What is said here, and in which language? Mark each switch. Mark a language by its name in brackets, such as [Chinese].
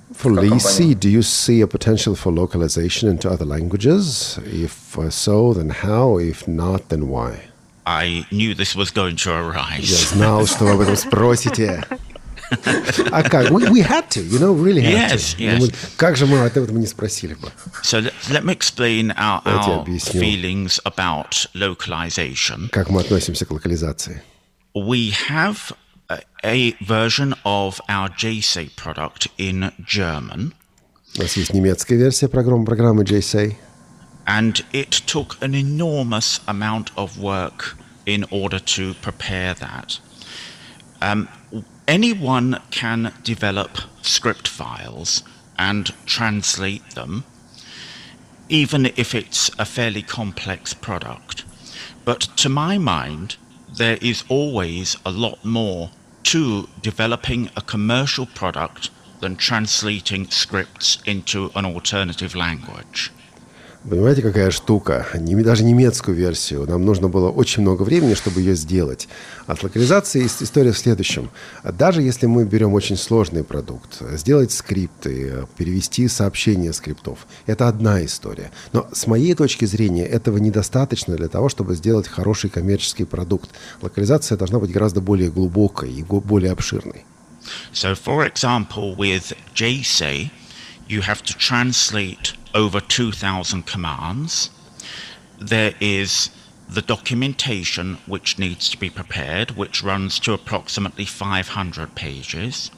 [English] For Lisi, do you see a potential for localization into other languages? If so, then how? If not, then why? I knew this was going to arise. Yes, now [Russian] что вы об этом спросите? А как? [English] We had to, you know, really had yes, to. Yes, yes. [Russian] Как же мы об этом не спросили бы? [English] So let me explain our feelings about localization. [Russian] Как мы относимся к локализации? [English] We have a version of our JSA product in German. [Russian] У нас есть немецкая версия программы JSA. [English] And it took an enormous amount of work in order to prepare that. Anyone can develop script files and translate them, even if it's a fairly complex product. But to my mind, there is always a lot more to developing a commercial product than translating scripts into an alternative language. [Russian] Понимаете, какая штука? Даже немецкую версию. Нам нужно было очень много времени, чтобы ее сделать. От локализации история в следующем. Даже если мы берем очень сложный продукт, сделать скрипты, перевести сообщения скриптов, это одна история. Но с моей точки зрения этого недостаточно для того, чтобы сделать хороший коммерческий продукт. Локализация должна быть гораздо более глубокой и более обширной. [English] So, for example, with JSA, you have to translate over 2,000 commands. There is the documentation which needs to be prepared, which runs to approximately 500 pages.